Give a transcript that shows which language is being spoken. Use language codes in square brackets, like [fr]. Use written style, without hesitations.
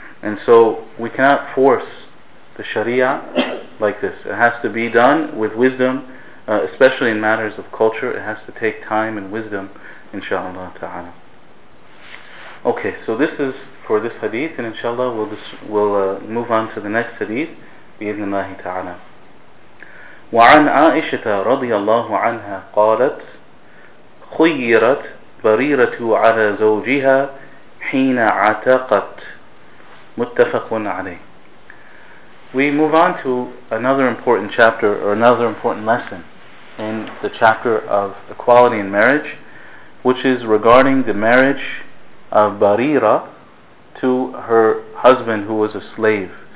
[en] And so we cannot force the Sharia like this. It has to be done with wisdom, especially in matters of culture. It has to take time and wisdom, inshallah ta'ala. Okay, so this is for this hadith, and inshallah we'll move on to the next hadith. [ar] بإذن الله تعالى. وعن عائشة رضي الله عنها قالت خيرت بريرة على زوجها حين عتقت. متفق عليه. [en] We move on to another important chapter, or another important lesson in the chapter of equality in marriage, which is regarding the marriage of Barira to her husband who was a slave.